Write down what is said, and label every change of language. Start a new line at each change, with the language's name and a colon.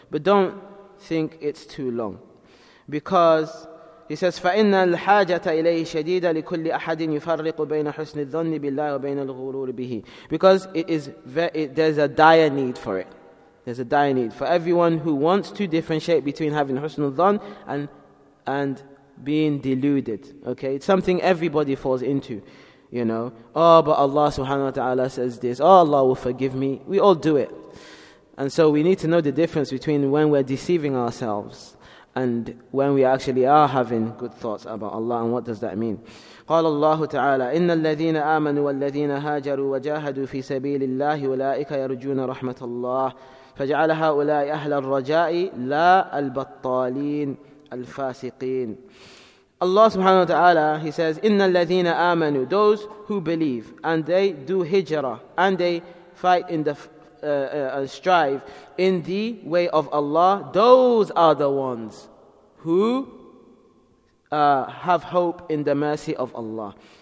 English: But don't think it's too long. Because he says,
Arabic: فَإِنَّ الْحَاجَةَ إِلَيْهِ شَدِيدَ لِكُلِّ أَحَدٍ يُفَرِّقُ بَيْنَ حُسْنِ الظَّنِّ بِاللَّهِ وَبَيْنَ الْغُرُورِ بِهِ.
English: Because it is there's a dire need for it. There's a dire need for everyone who wants to differentiate between having husnul dhan and being deluded. Okay, it's something everybody falls into, you know. Oh, but Allah subhanahu wa ta'ala says this. Oh, Allah will forgive me. We all do it. And so we need to know the difference between when we're deceiving ourselves and when we actually are having good thoughts about Allah, and what does that mean?
Arabic: قال الله تعالى إن الذين آمنوا والذين هاجروا وجاهدوا في سبيل الله أولئك يرجون رحمة الله فجعل هؤلاء أهل الرجاء لا البطالين الفاسقين.
English: Allah subhanahu wa ta'ala, he says,
Arabic: إن الذين آمنوا,
English: those who believe and they do hijrah and they fight in the strive in the way of Allah, those are the ones who have hope in the mercy of Allah.